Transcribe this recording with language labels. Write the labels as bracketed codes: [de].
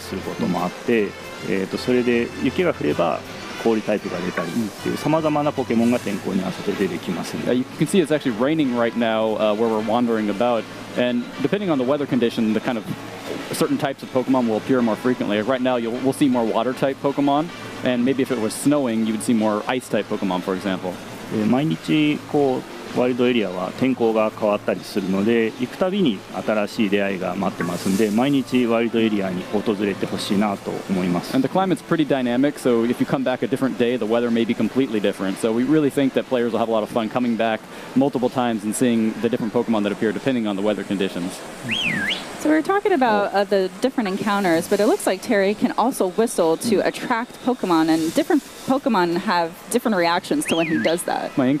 [ja] あと、今雨降ってますけども、雨降ってるんで、その水タイプのポケモンが出てます。で、場所によってはその天候が変わったりすることもあって、それで雪が降れば 氷タイプが出たりっていう様々なポケモンが天候に合わせて出てきますね。 [en] You can see it's actually raining right now where we're wandering about, and depending on the weather condition, the kind of certain types of Pokemon will appear more frequently. Right now, we'll see more water type Pokemon, and maybe if it was snowing, you would see more ice type Pokemon, for example. [ja] 毎日こうワイルドエリアは天候が変わったりするので、行くたびに新しい出会いが待ってますんで、毎日ワイルドエリアに訪れてほしいなと思います。 [en] And the climate's pretty dynamic, so if you come back a different day, the weather may be completely different. So we really think that players will have a lot of fun coming back multiple times and seeing the different Pokemon that appear depending on the weather conditions. So we were talking about the different encounters, but it looks like Terry can also whistle to attract Pokemon, and different Pokemon have different reactions to when he does that.